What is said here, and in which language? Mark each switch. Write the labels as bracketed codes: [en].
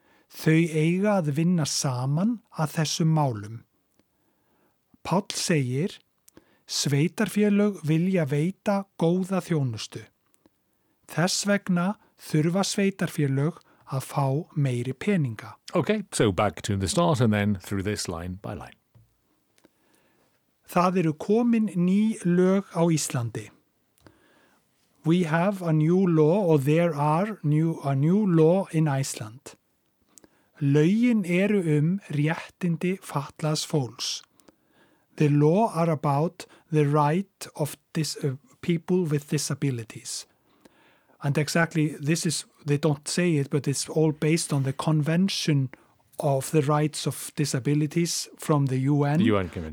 [is] Þau eiga að vinna saman að þessum málum. Páll segir: Sveitarfélög vilja veita góða þjónustu. Þess vegna þurfa sveitarfélög að fá meiri peninga. [en] Okay, so back to the start and then through this line by line. [is] Það komin ný lög á Íslandi. [en] We have a new law, or there are a new law in Iceland. [is] Lögin réttindi fatlaðs fólks. [en] The law are about the right of people with disabilities. And exactly, this is, they don't say it, but it's all based on the Convention of the Rights of Disabilities from the UN. The UN Convention.